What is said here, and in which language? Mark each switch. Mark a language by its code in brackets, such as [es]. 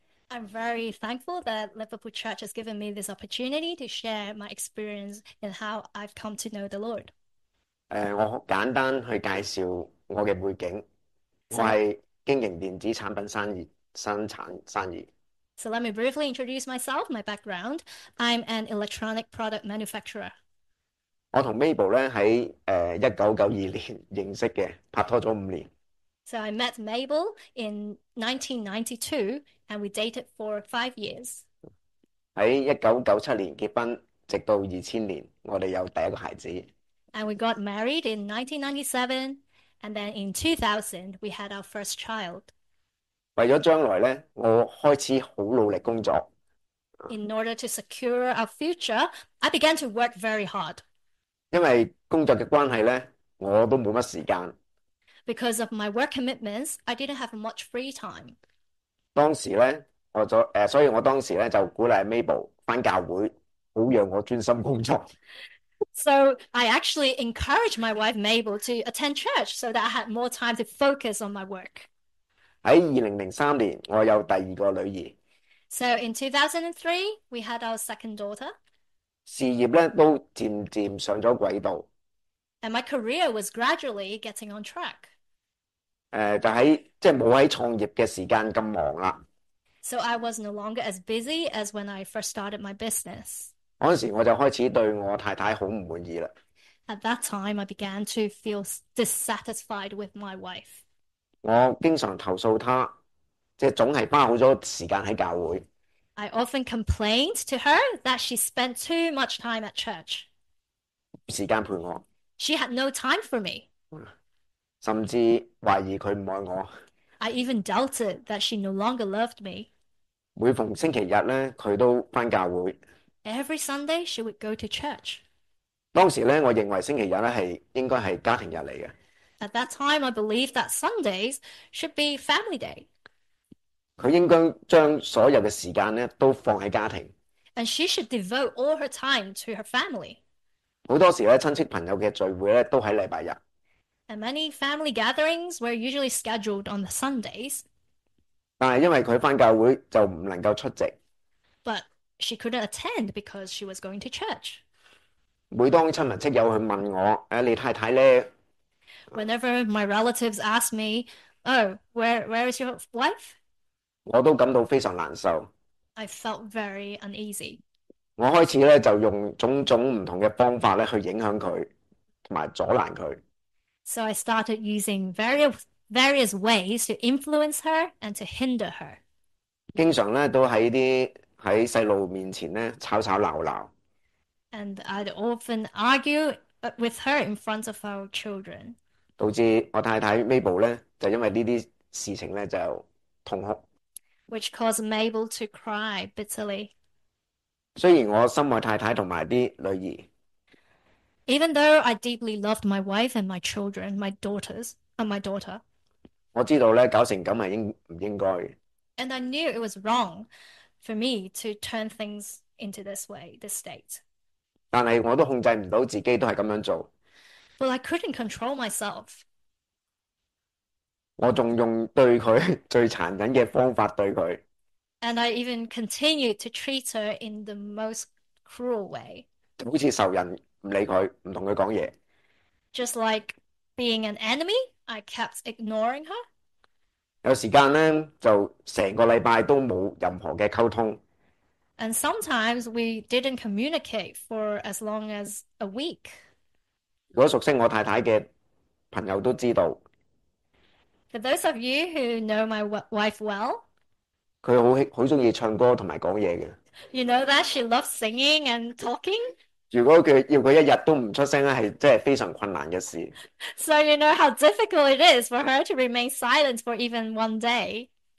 [en] I'm very thankful that Liverpool Church has given me this opportunity to share my experience and how I've come to know the Lord. [yue] 我简单去介绍我嘅背景，我系经营电子产品生意，生产生意。 [en] So let me briefly introduce myself, my background. I'm an electronic product manufacturer. [yue] 我同 Mabel 咧喺1992年认识嘅，拍拖咗5年。 [en] So I met Mabel in 1992 and we dated for 5 years. [yue] 喺1997年结婚，直到2000年，我哋有第一个孩子。 [en] And we got married in 1997 and then in 2000 we had our first child. [yue] 为咗将来咧，我开始好努力工作。 [en] In order to secure our future, I began to work very hard. [yue] 因为工作嘅关系咧，我都冇乜时间。 [en] Because of my work commitments, I didn't have much free time. [yue] 当时咧，所以我当时咧就鼓励 Mabel 翻教会，好让我专心工作。 [en] So I actually encouraged my wife Mabel to attend church so that I had more time to focus on my work. [yue] 喺2003年，我有第二个女儿。 [en] So in 2003, we had our second daughter. [yue] 事业咧都渐渐上咗轨道， [en] And my career was gradually getting on track. [yue] 即系冇喺创业嘅时间咁忙啦。 [en] So I was no longer as busy as when I first started my business. [yue] 嗰时我就开始对我太太好唔满意啦。 [en] At that time, I began to feel dissatisfied with my wife. [yue] 我经常投诉她，即系总系花好多时间喺教会。 [en] I often complained to her that she spent too much time at church. [yue] 时间陪我， [en] She had no time for me. [yue] 甚至怀疑佢唔爱我。 [en] I even doubted that she no longer loved me. [yue] 每逢星期日咧，佢都翻教会。 [en] Every Sunday, she would go to church. [yue] 当时咧，我认为星期日咧系应该系家庭日嚟嘅。 [en] At that time, I believed that Sundays should be family day. [yue] 佢应该将所有嘅时间咧都放喺家庭。 [en] And she should devote all her time to her family. [yue] 好多时咧，亲戚朋友嘅聚会咧，都喺礼拜日。 [en] And many family gatherings were usually scheduled on the Sundays. [yue] 但系因为佢翻教会就唔能够出席。 [en] But she couldn't attend because she was going to church. [yue] 每当亲朋戚友去问我，你太太咧？ [en] Whenever my relatives ask me, Oh, where is your wife? [yue] 我都感到非常难受。 [en] I felt very uneasy. [yue] 我开始咧就用种种唔同嘅方法咧去影响佢，同埋阻拦佢。 [en] So I started using various ways to influence her and to hinder her. [yue] 经常咧都喺细路面前咧吵吵闹闹。 [en] And I'd often argue with her in front of our children. [yue] 导致我太太 Mabel 咧就因为呢啲事情咧就痛哭。 [en] Which caused Mabel to cry bitterly. [yue] 虽然我深爱太太同埋啲女儿， [en] Even though I deeply loved my wife and my children, my daughters, and my daughter, [yue] 我知道咧搞成咁系唔应该。 [en] and I knew it was wrong for me to turn things into this way, this state. [yue] 但系我都控制唔到自己，都系咁样做。 [en] But I couldn't control myself. [yue] 我仲用对佢最残忍嘅方法对佢。 [en] And I even continued to treat her in the most cruel way. [yue] 好似仇人唔理佢，唔同佢讲嘢。 [en] Just like being an enemy, I kept ignoring her. [yue] 有时间咧，就成个礼拜都冇任何嘅沟通。 [en] And sometimes we didn't communicate for as long as a week. [yue] 如果熟悉我太太嘅朋友都知道， [en] For those of you who know my wife well, [yue] 佢好中意唱歌同埋讲嘢嘅。 [en] you know that she loves singing and talking. [yue] 如果佢要佢一日都唔出声咧，系真系非常困难嘅事。 [en] So you know how difficult it is for her to remain silent for even one day.